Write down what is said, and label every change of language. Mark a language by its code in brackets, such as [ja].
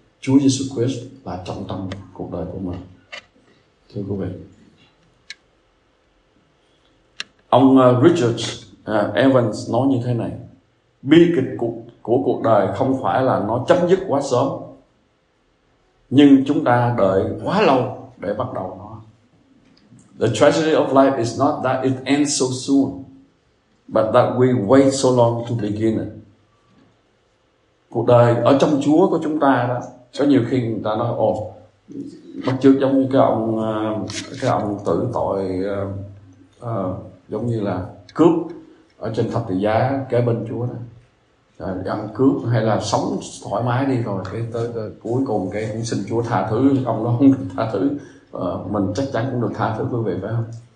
[vi] Chúa Jesus Christ là trọng tâm cuộc đời của mình. Thưa quý vị, ông Richard Evans nói như thế này: bi kịch của cuộc đời không phải là nó chấm dứt quá sớm, nhưng chúng ta đợi quá lâu để bắt đầu nó. [en] The tragedy of life is not that it ends so soon, but that we wait so long to begin it. [vi] Cuộc đời ở trong Chúa của chúng ta đó, có nhiều khi người ta nói, ồ, bắt chước giống như cái ông tử tội, giống như là cướp ở trên thập tự giá kế bên Chúa đó. Ăn cướp hay là sống thoải mái đi rồi cái tới cuối cùng cái cũng xin Chúa tha thứ, ông đó không tha thứ, mình chắc chắn cũng được tha thứ, quý vị phải không?